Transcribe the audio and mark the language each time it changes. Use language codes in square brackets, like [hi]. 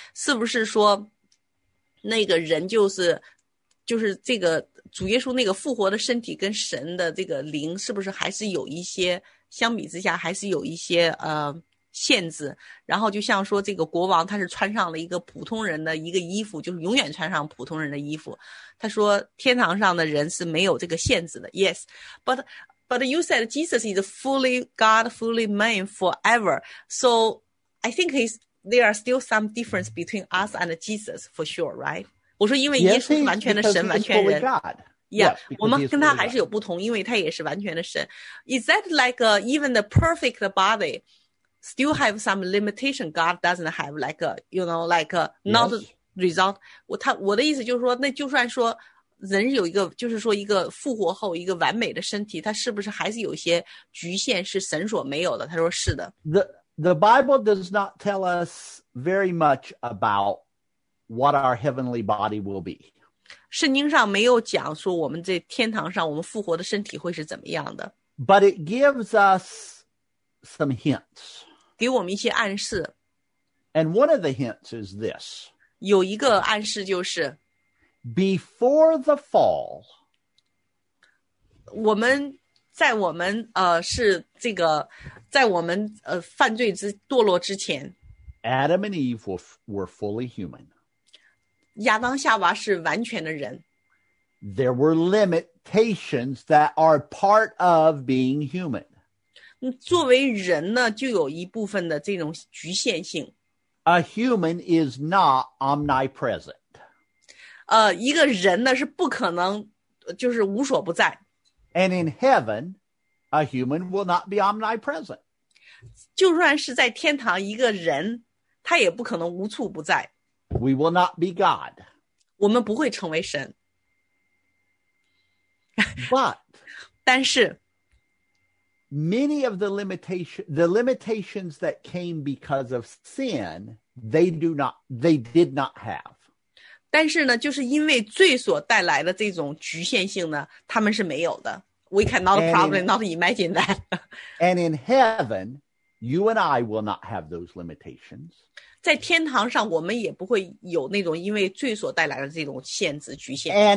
[zh] 是不是说那个人就是这个主耶稣那个复活的身体跟神的这个灵是不是还是有一些相比之下还是有一些限制，然后就像说这个国王他是穿上了一个普通人的一个衣服，就是永远穿上普通人的衣服。他说天堂上的人是没有这个限制的。 [en] Yes, but you said Jesus is fully God, fully man forever. So I think there are still some difference between us and Jesus for sure, right? [zh] 我说因为耶稣是完全的神，完全人。 [en] Yeah, yes, [zh] 我们跟他还是有不同，因为他也是完全的神。 [en] Is that like even the perfect body? Still have some limitation God doesn't have, like, you know, like, not yes. result. [zh] 我的意思就是说，那就算说人有一个，就是说一个复活后一个完美的身体，他是不是还是有些局限是神所没有的？他说是的。 [en] The Bible does not tell us very much about what our heavenly body will be. [zh] 圣经上没有讲说我们这天堂上我们复活的身体会是怎么样的。 [en] But it gives us. Some hints. [zh] 给我们一些暗示。 [en] And one of the hints is this. [zh] 有一个暗示就是 [en] Before the fall, [zh] 我们在我们是这个在我们犯罪之堕落之前 [en] Adam and Eve were fully human. [zh] 亚当夏娃是完全的人。 [en] There were limitations that are part of being human. [zh] 作为人呢，就有一部分的这种局限性。 [en] A human is not omnipresent. [zh] 一个人呢是不可能就是无所不在。 [en] And in heaven, a human will not be omnipresent. [zh] 就算是在天堂一个人，他也不可能无处不在。 [en] We will not be God. [zh] 我们不会成为神。 [en] But, [zh] 但是 [en] many of the limitations that came because of sin, they did not have. [zh] 但是呢，就是因为罪所带来的这种局限性呢，他们是没有的。 [en] We cannot probably not imagine that. And in heaven, you and I will not have those limitations. [zh] 在天堂上，我们也不会有那种因为罪所带来的这种限制局限。